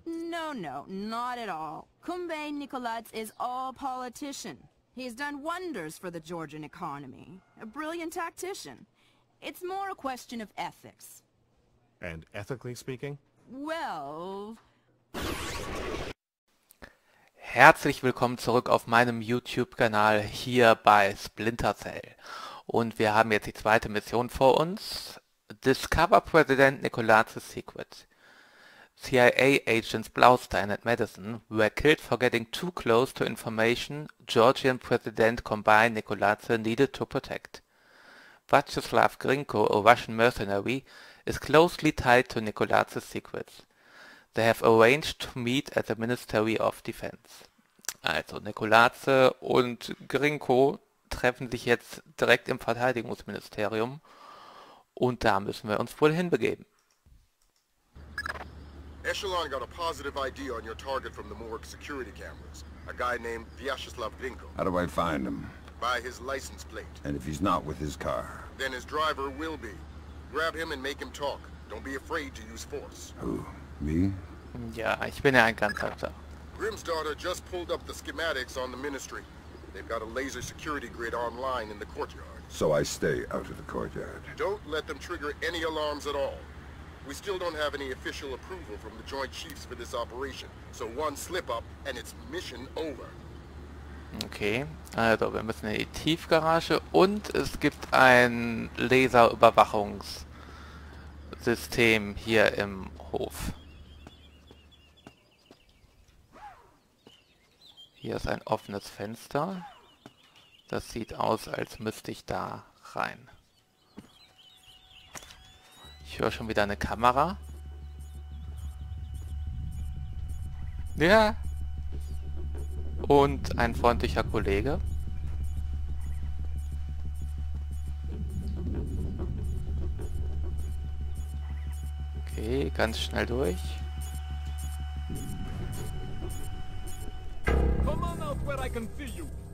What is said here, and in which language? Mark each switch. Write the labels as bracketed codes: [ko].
[en] No, no, not at all. Kumbay Nikolats is all politician. He's done wonders for the Georgian economy. A brilliant tactician. It's more a question of ethics. And ethically speaking? Well... [de] Herzlich willkommen zurück auf meinem YouTube-Kanal hier bei Splinter Cell. Und wir haben jetzt die zweite Mission vor uns. [en] Discover President Nikolats' Secret. CIA agents Blaustein and Madison were killed for getting too close to information Georgian President Kumbay Nikolats needed to protect. Vyacheslav Grinko, a Russian mercenary, is closely tied to Nikolats' secrets. They have arranged to meet at the Ministry of Defense. [de] Also Nikolats und Grinko treffen sich jetzt direkt im Verteidigungsministerium. Und da müssen wir uns wohl hinbegeben. [en] Echelon got a positive ID on your target from the morgue security cameras. A guy named Vyacheslav Grinko. How do I find him? By his license plate. And if he's not with his car? Then his driver will be. Grab him and make him talk. Don't be afraid to use force. Who? Me? [de] Ja, ich bin ja ein Ganzhafter. [en] Grimm's daughter just pulled up the schematics on the ministry. They've got a laser security grid online in the courtyard. So I stay out of the courtyard. Don't let them trigger any alarms at all. We still don't have any official approval from the Joint Chiefs for this operation. So one slip up and it's mission over. [de] Okay, also wir müssen in die Tiefgarage und es gibt ein Laserüberwachungssystem hier im Hof. Hier ist ein offenes Fenster. Das sieht aus, als müsste ich da rein. Ich höre schon wieder eine Kamera. Ja. Und ein freundlicher Kollege. Okay, ganz schnell durch. [en] Come on out where I can see you.